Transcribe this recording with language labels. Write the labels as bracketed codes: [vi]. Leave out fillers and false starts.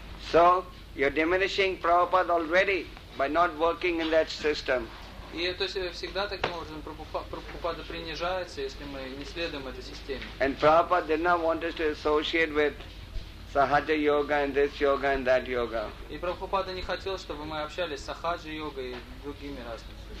[en] So, you're diminishing Prabhupada already by not working in that system. [ru] И то есть всегда таким образом Прабхупада принижается, если мы не следуем этой системе. [en] And Prabhupada did not want us to associate with Sahaja Yoga and this Yoga and that Yoga. [ru] И Прабхупада не хотел, чтобы мы общались с Сахаджа Йогой и другими разными.